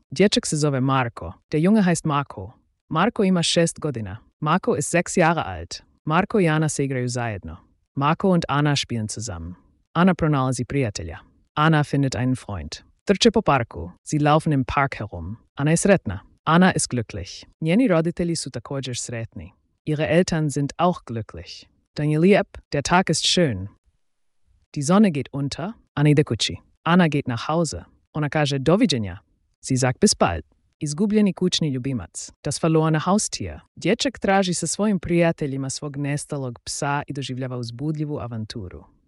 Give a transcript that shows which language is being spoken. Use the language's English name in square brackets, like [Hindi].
[Croatian] Dječak se zove Marko. [German] Der Junge heißt Marko. [Croatian] Marko ima 6 godina. [German] Marko ist 6 Jahre alt. [Croatian] Marko i Ana se igraju zajedno. [German] Marko und Ana spielen zusammen. [Croatian] Ana pronalazi prijatelja. [German] Ana findet einen Freund. [Croatian] Trče po parku. [German] Sie laufen im Park herum. [Croatian] Ana je sretna. [German] Ana ist glücklich. [Croatian] Njeni roditelji su također sretni. [German] Ihre Eltern sind auch glücklich. Danielieb, der Tag ist schön. Die Sonne geht unter. [Croatian] Ana ide kući. [German] Ana geht nach Hause. [Croatian] Ona kaže doviđenja. [German] Sie sagt bis bald. [Croatian] Izgubljeni kućni ljubimac. [German] Das verlorene Haustier. [Croatian] Dječak traži sa svojim prijateljima svog nestalog psa i doživljava uzbudljivu avanturu.